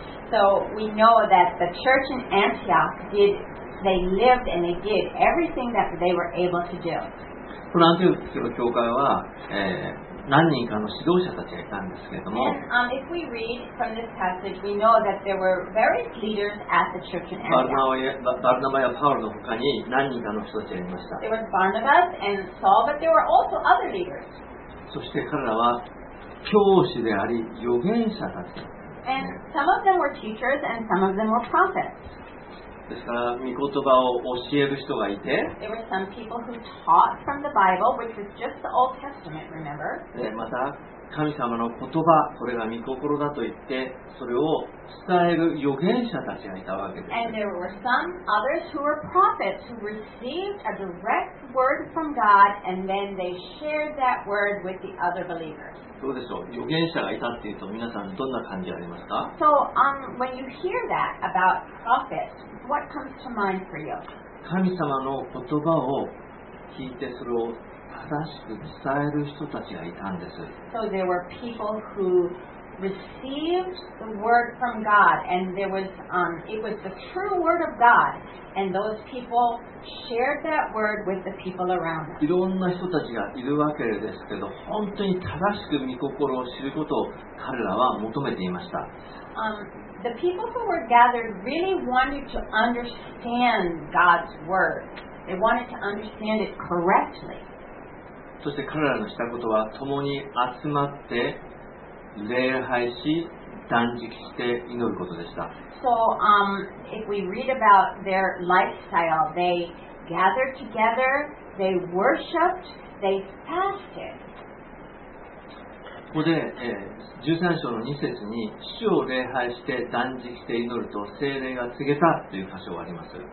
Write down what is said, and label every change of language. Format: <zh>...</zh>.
<en>So we know that the church in Antioch did. They lived and they did everything that they were able to do.</en> <ja>このアンティオキの教会は、何人かの指導者たちがいたんですけれども。</ja> <en>And, if we read from this passage, we know that there were various leaders at the church in Antioch.</en> <ja>バルナバやパウロの他に何人かの人たちがいました。</ja> <en>There was Barnabas and Saul, but there were also other leaders.</en> <ja>そして彼らは教師であり預言者たち。</ja> <en>And some of them were teachers and some of them were prophets.</en> <ja>ですから御言葉を教える人がいて。</ja> <en>There were some people who taught from the Bible, which was just the Old Testament, remember?</en> <ja>でまた神様の言葉、これが御心だと言って、それを伝える預言者たちがいたわけです。</ja> <en>And there were some others who were prophets who received a direct word from God and then they shared that word with the other believers.</en> <ja>どうでしょう、預言者がいたっていうと皆さんどんな感じありますか？</ja> <en>So, when you hear that about prophets, what comes to mind for you?</en> <ja>神様の言葉を聞いてそれを正しく伝える人たちがいたんです。</ja> <en>So there were people who received the word from God, and there was, it was the true word of God, and those people shared that word with the people around them.</en> <ja>いろんな人たちがいるわけですけど、本当に正しく御心を知ることを彼らは求めていました。</ja> <en>The people who were gathered really wanted to understand God's word. They wanted to understand it correctly.</en> <ja>そして彼らのしたことは共に集まって礼拝し断食して祈ることでした。</ja> <en>So, if we read about their lifestyle, they gathered together, they worshipped, they fasted.</en> <ja>ここで、13章の2節に主を礼拝して断食して祈ると聖霊が告げたという箇所があります。</ja>